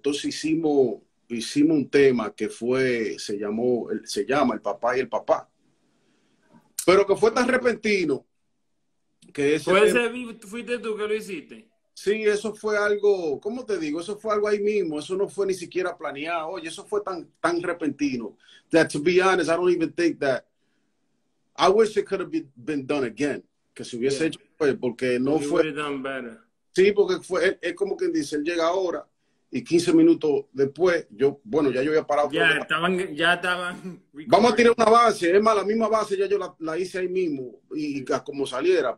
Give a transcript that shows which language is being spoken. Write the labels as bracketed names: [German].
[Spanish] Entonces hicimos un tema que fue, se llama El Papá y el Papá. Pero que fue tan repentino. Que ese pues ese tema, fuiste tú que lo hiciste. Sí, eso fue algo, ¿cómo te digo? Eso fue algo ahí mismo. Eso no fue ni siquiera planeado. Oye, eso fue tan repentino. [English] That, to be honest, I don't even think that. I wish it could have been done again. [Spanish] Que se hubiese hecho, pues, porque no [English] you [Spanish] fue. [English] Done better. [Spanish] Sí, porque fue, es como quien dice, él llega ahora y 15 minutos después, yo, bueno, ya yo había parado. Ya estaban. Recording. Vamos a tirar una base. Es más, la misma base ya yo la hice ahí mismo y como saliera.